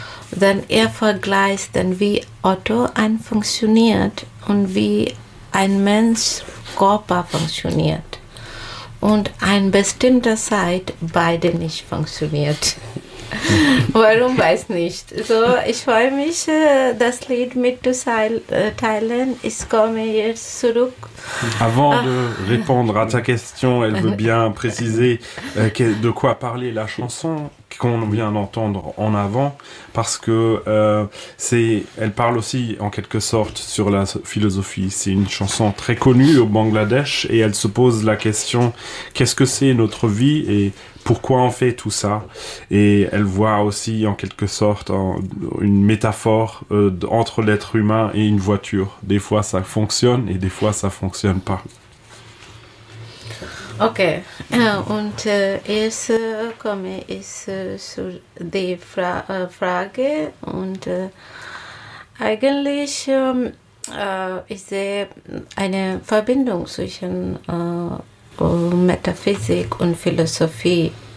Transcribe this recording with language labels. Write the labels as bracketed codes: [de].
[de] Dann er vergleicht dann, wie Otto ein funktioniert und wie ein Mensch Körper funktioniert. Und ein bestimmter Zeit beide nicht funktioniert. Warum, weiß nicht. So, ich freue mich, das Lied mitzuteilen. Ich komme jetzt zurück. [fr] Avant de répondre à ta question, elle veut bien préciser de quoi parler la chanson qu'on vient d'entendre en avant, parce que elle parle aussi en quelque sorte sur la philosophie. C'est une chanson très connue au Bangladesh et elle se pose la question, qu'est-ce que c'est notre vie et pourquoi on fait tout ça? Et elle voit aussi en quelque sorte une métaphore entre l'être humain et une voiture. Des fois ça fonctionne et des fois ça fonctionne pas. [de] Ok, und jetzt komme ich zu der Frage. Und eigentlich ist eine Verbindung zwischen Metaphysik und Philosophie.